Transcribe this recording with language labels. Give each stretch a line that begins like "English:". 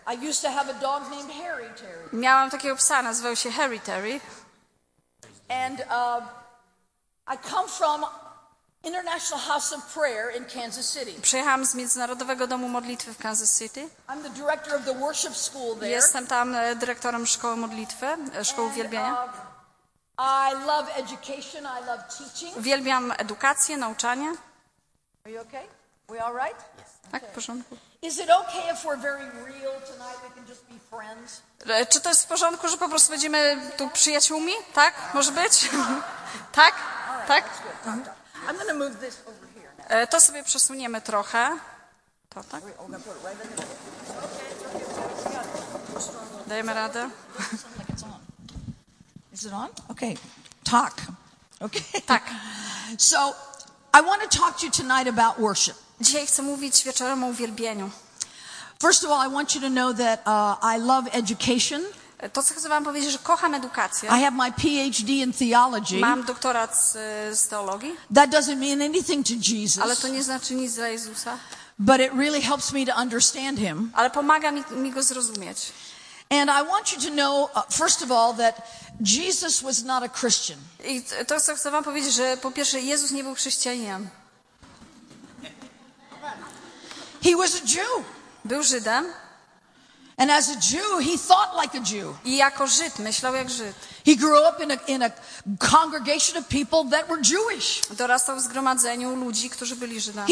English: I used to have a dog named Harry Terry.
Polish: Miałam takiego psa, nazywał się Harry Terry.
English: And I come from International House of Prayer in Kansas City.
Polish: Przyjechałam z Międzynarodowego Domu Modlitwy w Kansas City.
English: I'm the director of the worship school there.
Polish: Jestem tam dyrektorem szkoły modlitwy, szkoły uwielbienia.
English: I love education, I love teaching.
Polish: Uwielbiam edukację, nauczanie.
English: Are you okay? We all right?
Polish: Tak, w porządku.
English: Is it okay if we're very real tonight? We can just be friends.
Polish: Czy to jest w porządku, że po prostu będziemy tu przyjaciółmi? Tak? Może być? Tak? Tak?
English: I'm gonna move this over here now.
Polish: To sobie przesuniemy trochę. To tak? Dajemy radę.
English: Is it on? Okay. Talk. Okay.
Polish: Tak.
English: So I want to talk to you tonight about worship.
Polish: Dzisiaj chcę mówić wieczorem o uwielbieniu.
English: First of all, I want you to know that I love education.
Polish: To co chcę wam powiedzieć, że kocham edukację.
English: I have my PhD in theology.
Polish: Mam doktorat z teologii.
English: That doesn't mean anything to Jesus.
Polish: Ale to nie znaczy nic dla Jezusa.
English: But it really helps me to understand him.
Polish: Ale pomaga mi go zrozumieć.
English: And I want you to know first of all that Jesus was not a Christian.
Polish: I to co chcę wam powiedzieć, że po pierwsze Jezus nie był chrześcijaninem.
English: He was a Jew.
Polish: Był Żydem.
English: And as a Jew, he thought like a Jew.
Polish: I jako Żyd myślał jak Żyd.
English: He grew up in a congregation of people that were Jewish.
Polish: Dorastał w zgromadzeniu ludzi, którzy byli Żydami.